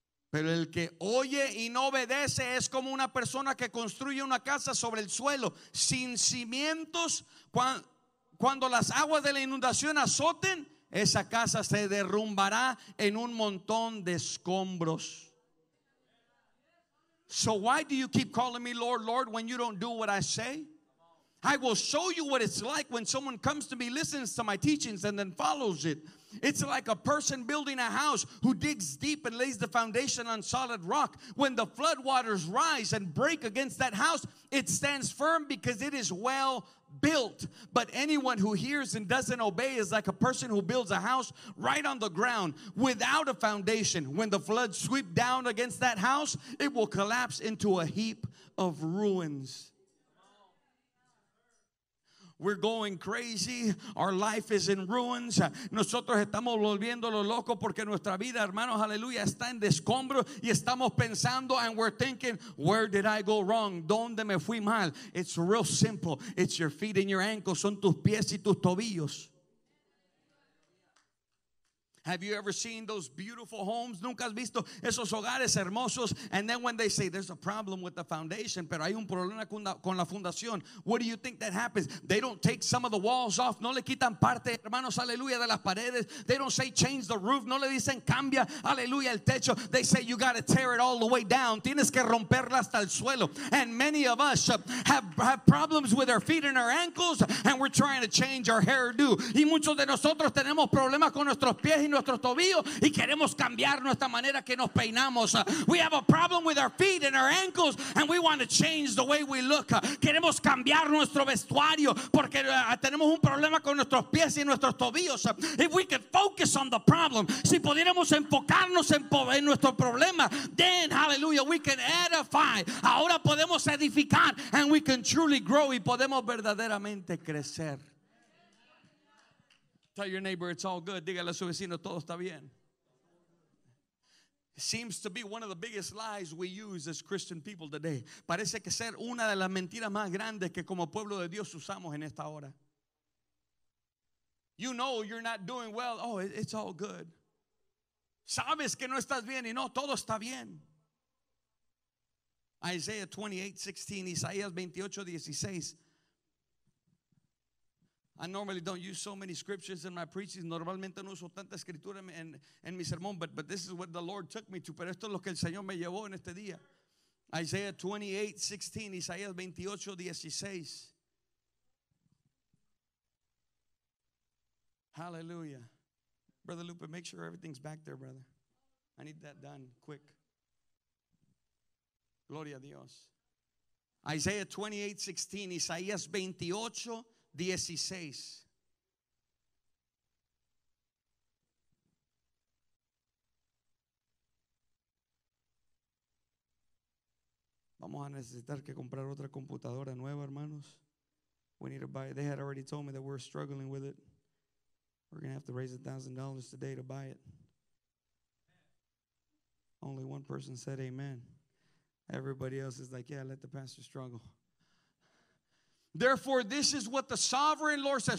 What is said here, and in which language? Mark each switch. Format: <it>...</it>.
<es>Pero el que oye y no obedece es como una persona que construye una casa sobre el suelo sin cimientos. Cuando las aguas de la inundación azoten, esa casa se derrumbará en un montón de escombros.</es> <en>So why do you keep calling me Lord, Lord, when you don't do what I say? I will show you what it's like when someone comes to me, listens to my teachings, and then follows it. It's like a person building a house who digs deep and lays the foundation on solid rock. When the floodwaters rise and break against that house, it stands firm because it is well built. But anyone who hears and doesn't obey is like a person who builds a house right on the ground without a foundation. When the floods sweep down against that house, it will collapse into a heap of ruins. We're going crazy. Our life is in ruins.</en> <es>Nosotros estamos volviéndolo loco porque nuestra vida, hermanos, aleluya, está en escombros. Y estamos pensando,</es> <en>and we're thinking, where did I go wrong?</en> <es>¿Dónde me fui mal?</es> <en>It's real simple. It's your feet and your ankles.</en> <es>Son tus pies y tus tobillos.</es> <en>Have you ever seen those beautiful homes?</en> <es>¿Nunca has visto esos hogares hermosos?</es> <en>And then when they say, there's a problem with the foundation,</en> <es>pero hay un problema con la fundación,</es> <en>what do you think that happens? They don't take some of the walls off.</en> <es>No le quitan parte, hermanos, aleluya, de las paredes.</es> <en>They don't say, change the roof.</en> <es>No le dicen, cambia, aleluya, el techo.</es> <en>They say, you got to tear it all the way down.</en> <es>Tienes que romperla hasta el suelo.</es> <en>And many of us have problems with our feet and our ankles, and we're trying to change our hairdo.</en> <es>Y muchos de nosotros tenemos problemas con nuestros pies y nuestros tobillos y queremos cambiar nuestra manera que nos peinamos.</es> <en>We have a problem with our feet and our ankles and we want to change the way we look.</en> <es>Queremos cambiar nuestro vestuario porque tenemos un problema con nuestros pies y nuestros tobillos.</es> <en>If we could focus on the problem,</en> <es>si pudiéramos enfocarnos en nuestro problema,</es> <en>then hallelujah, we can edify.</en> <es>Ahora podemos edificar</es> <en>and we can truly grow</en> <es>y podemos verdaderamente crecer.</es> <en>Tell your neighbor it's all good.</en> <es>Dígale a su vecino, todo está bien.</es> <en>It seems to be one of the biggest lies we use as Christian people today.</en> <es>Parece que ser una de las mentiras más grandes que como pueblo de Dios usamos en esta hora.</es> <en>You know you're not doing well. Oh, it's all good.</en> <es>Sabes que no estás bien y no, todo está bien.</es> <en>Isaiah 28:16, Isaías 28:16. I normally don't use so many scriptures in my preachings. Normalmente no uso tanta escritura en mi sermón, but this is what the Lord took me to.</en> <es>Pero esto es lo que el Señor me llevó en este día.</es> <en>Isaiah 28:16, Isaías 28:16. Hallelujah. Brother Lupe, make sure everything's back there, brother. I need that done quick.</en> <es>Gloria a Dios. Isaiah 28:16, Isaías 28:16. Vamos a necesitar que comprar otra computadora nueva, hermanos.</es> <en>We need to buy it. They had already told me that we're struggling with it. We're going to have to raise $1,000 today to buy it. Only one person said amen. Everybody else is like, yeah, let the pastor struggle. Therefore, this is what the sovereign Lord says.</en>